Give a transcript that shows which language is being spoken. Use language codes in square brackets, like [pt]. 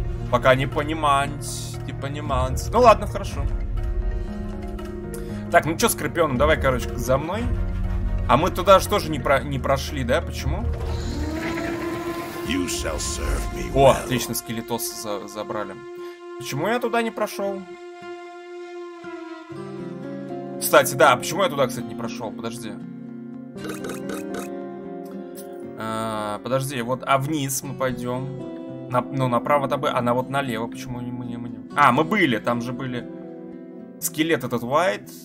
[ru] Пока не понимать. Не понимать. Ну ладно, хорошо. Так, ну что, скорпион, давай, короче, за мной. А мы туда же тоже не прошли, да? Почему? [en] You shall serve me well. [ru] О, отлично, скелетос забрали. Почему я туда не прошел? Кстати, да, почему я туда, кстати, не прошел? Подожди. Подожди, вот, а вниз мы пойдем. Ну, направо-то бы, а на вот налево, почему мы не... А, мы были, там же были. Скелет этот Уайт.